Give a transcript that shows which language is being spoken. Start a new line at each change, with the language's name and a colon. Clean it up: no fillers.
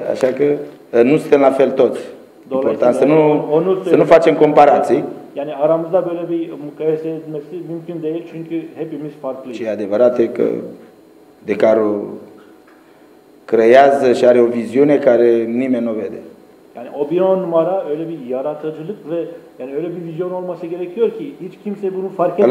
Romanian: Așa că nu suntem la fel toți. Important să nu facem comparații.
Turkish: Yani aramızda böyle bir mukayese etmesi mümkün değil çünkü hepimiz farklıyız.
Romanian: Ce adevărat e că De Caro creează și are o viziune care nimeni nu vede.
Turkish: Yani o bir on numara öyle bir yaratıcılık ve yani öyle bir vizyon olması gerekiyor ki hiç kimse bunu fark etmiyor.